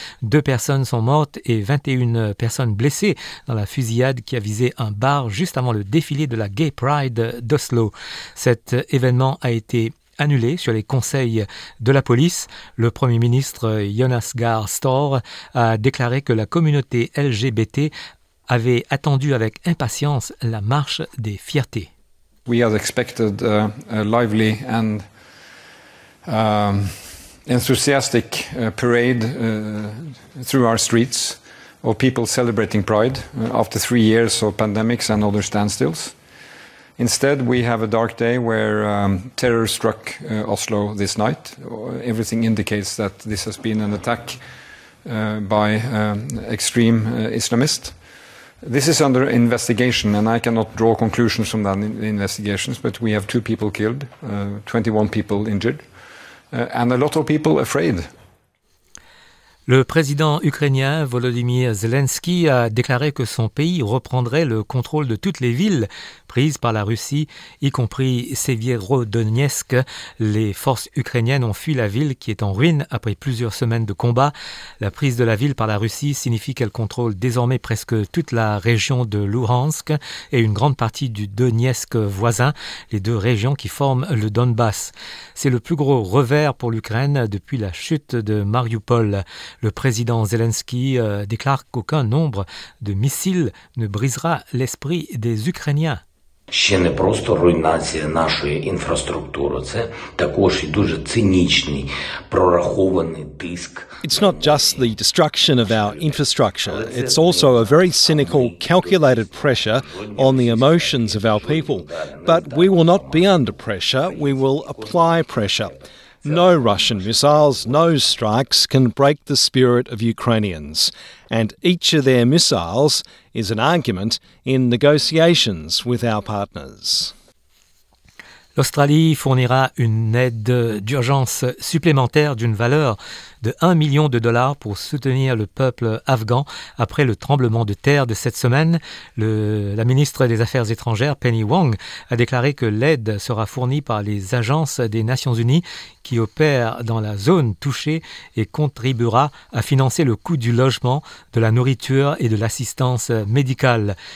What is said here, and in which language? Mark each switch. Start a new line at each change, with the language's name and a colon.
French: Deux personnes sont mortes et 21 personnes blessées dans la fusillade qui a visé un bar juste avant le défilé de la Gay Pride d'Oslo. Cet événement a été annulé sur les conseils de la police. Le Premier ministre Jonas Gahr Støre a déclaré que la communauté LGBT avait attendu avec impatience la marche des fiertés.
English: We had expected a lively and enthusiastic parade through our streets of people celebrating Pride after 3 years of pandemics and other standstills. Instead, we have a dark day where terror struck Oslo this night. Everything indicates that this has been an attack by extreme Islamists. This is under investigation, and I cannot draw conclusions from that investigations, but we have 2 people killed, 21 people injured, and a lot of people afraid.
French: Le président ukrainien Volodymyr Zelensky a déclaré que son pays reprendrait le contrôle de toutes les villes prises par la Russie, y compris Severodonetsk. Les forces ukrainiennes ont fui la ville qui est en ruine après plusieurs semaines de combats. La prise de la ville par la Russie signifie qu'elle contrôle désormais presque toute la région de Luhansk et une grande partie du Donetsk voisin, les deux régions qui forment le Donbass. C'est le plus gros revers pour l'Ukraine depuis la chute de Mariupol. Le président Zelensky déclare qu'aucun nombre de missiles ne brisera l'esprit des Ukrainiens.
Ukrainian: Ще не просто руйнація нашої інфраструктури, це також і дуже цинічний прорахований тиск.
English: It's not just the destruction of our infrastructure, it's also a very cynical, calculated pressure on the emotions of our people. But we will not be under pressure, we will apply pressure. No Russian missiles, no strikes can break the spirit of Ukrainians. And each of their missiles is an argument in negotiations with our partners.
French: L'Australie fournira une aide d'urgence supplémentaire d'une valeur de 1 million de dollars pour soutenir le peuple afghan après le tremblement de terre de cette semaine. La ministre des Affaires étrangères, Penny Wong, a déclaré que l'aide sera fournie par les agences des Nations Unies qui opèrent dans la zone touchée et contribuera à financer le coût du logement, de la nourriture et de l'assistance médicale.